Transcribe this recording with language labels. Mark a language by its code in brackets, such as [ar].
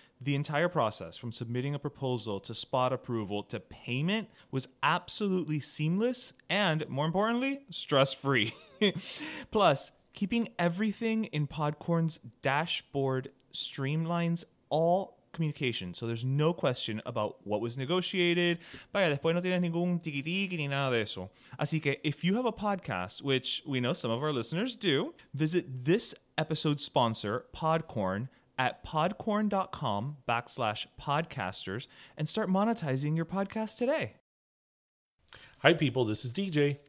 [en] The entire process, from submitting a proposal to spot approval to payment, was absolutely seamless and, more importantly, stress-free. Plus, keeping everything in Podcorn's dashboard streamlines all communication, so there's no question about what was negotiated. [es] Vaya, después no tienes ningún tiki-tiki ni nada de eso. Así que, [en] if you have a podcast, which we know some of our listeners do, visit this episode's sponsor, Podcorn, at podcorn.com/podcasters and start monetizing your podcast today. Hi, people. This is DJ.